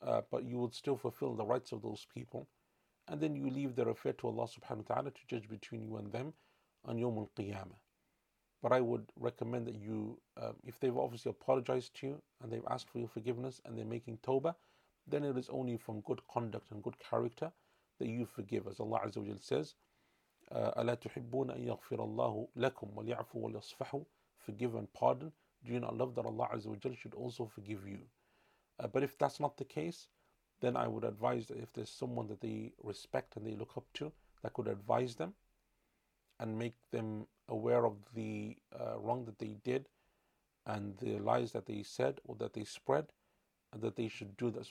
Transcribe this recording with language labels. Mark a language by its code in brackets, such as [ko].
[en] but you would still fulfill the rights of those people, and then you leave their affair to Allah subhanahu wa ta'ala to judge between you and them on Yawm al-Qiyamah. But I would recommend that you, if they've obviously apologized to you and they've asked for your forgiveness and they're making tawbah, then it is only from good conduct and good character that you forgive. As Allah Azza wa Jalla says, [ar] أَلَا تُحِبُّونَ أَن يَغْفِرَ اللَّهُ لَكُمْ وَلْيَعْفُوا وَلْيَصْفَحُوا. [en] Forgive and pardon. Do you not love that Allah Azza wa Jalla should also forgive you? But if that's not the case, then I would advise that if there's someone that they respect and they look up to, that could advise them and make them aware of the wrong that they did and the lies that they said or that they spread, and that they should do that.